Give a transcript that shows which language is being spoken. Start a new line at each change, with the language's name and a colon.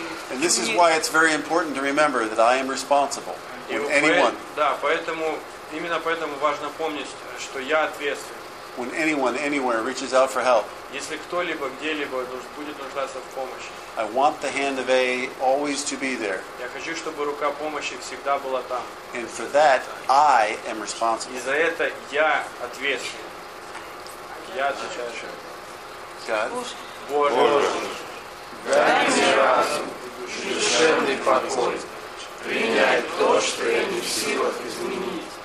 English: And this is why it's very important to remember that I am responsible with anyone.
Russian: Именно поэтому важно помнить, что я ответственен.
English: When anyone, anywhere reaches out for help,
Russian: если кто-либо, где-либо будет нуждаться в помощи,
English: I want the hand of A always to be there.
Russian: Я хочу, чтобы рука помощи всегда была там.
English: And for that, I am responsible.
Russian: И за это я ответственен. Я отвечаю. Боже, дай мне разум и душевный покой принять то, что я не в силах изменить.